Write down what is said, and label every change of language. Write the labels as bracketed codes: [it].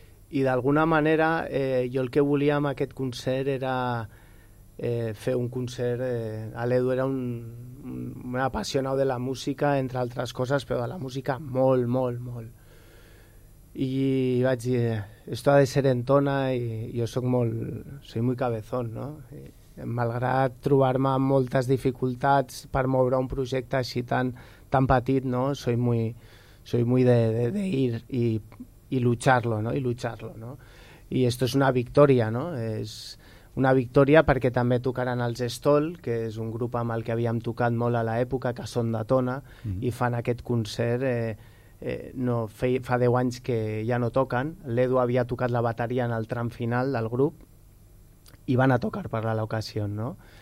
[ca] I d'alguna manera jo el que volia amb aquest concert era fer un concert. L'Edu era un apassionat de la música, entre altres coses, però de la música molt, molt, molt. I vaig dir, esto ha de ser en Tona, i jo [es] soy muy cabezón, [ca] no? I, malgrat trobar-me amb moltes dificultats per moure un projecte així tan petit, no? [es] Soy muy de ir i lucharlo, no? [ca] I [es] esto es una [ca] victòria, no? És una victòria perquè també tocaran els Stoll, que és un grup amb el que havíem tocat molt a l'època, que són de Tona, i fan aquest concert. Fa 10 anys que ja no toquen. L'Edu havia tocat la bateria en el tram final del grup i van a tocar per l'ocasió, no?